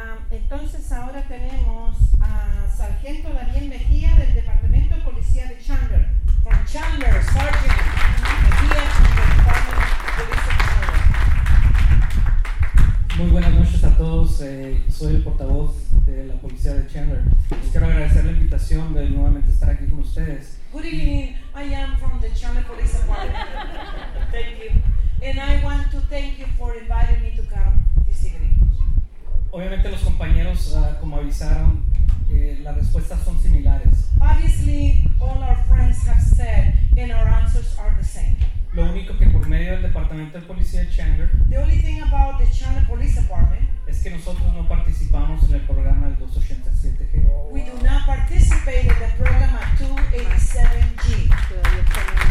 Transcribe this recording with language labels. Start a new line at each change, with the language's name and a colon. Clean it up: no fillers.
Spanish: Entonces ahora tenemos a Sargento Daniel Mejía del Departamento de Policía de Chandler.
English: From Chandler, Sergeant Mejía from the Department of Police of Chandler.
Spanish: Muy buenas noches a todos. Soy el portavoz de la policía de Chandler. Les quiero agradecer la invitación de nuevamente estar aquí con ustedes.
English: Good evening. I am from the Chandler Police Department. Thank you. And I want to thank you for inviting me to come this evening.
Spanish: Obviamente los compañeros, como avisaron, las respuestas son similares.
English: Obviously, all our friends have said and our answers are the same.
Spanish: Lo único que por medio del Departamento de Policía de Chandler.
English: The only thing about the Chandler Police Department.
Spanish: Es que nosotros no participamos en el programa del 287G.
English: We do not participate in the program of 287G.